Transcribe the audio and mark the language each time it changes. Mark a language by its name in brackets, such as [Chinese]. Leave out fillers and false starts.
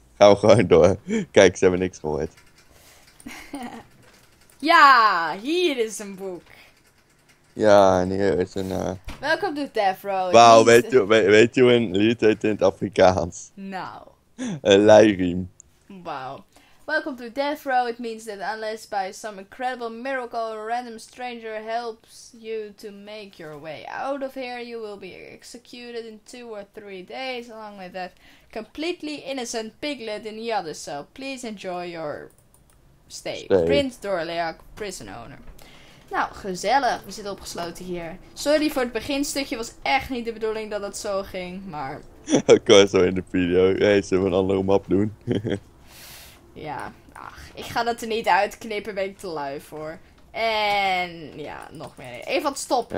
[Dutch] Gaan we gewoon door. Kijk, ze hebben niks gehoord. Ja, hier is een boek. Ja, en hier is een... [English] Welkom to Death Row. [Dutch] Wauw, weet je hoe een lied heet in het Afrikaans? Nou. Een leiriem. Wauw. [English] Welcome to Death Row, it means that unless by some incredible miracle a random stranger helps you to make your way out of here, you will be executed in 2 or 3 days, along with that completely innocent piglet in the other cell. Please enjoy your stay. Prince Dorleak, prison owner. [Dutch] Nou, gezellig, we zitten opgesloten hier. Sorry voor het beginstukje, was echt niet de bedoeling dat het zo ging, maar... Ik kan zo in de video, hey, zullen we een andere map doen? Ja, ach, ik ga dat er niet uitknippen, ben ik te lui voor. En ja, nog meer. Even wat stoppen.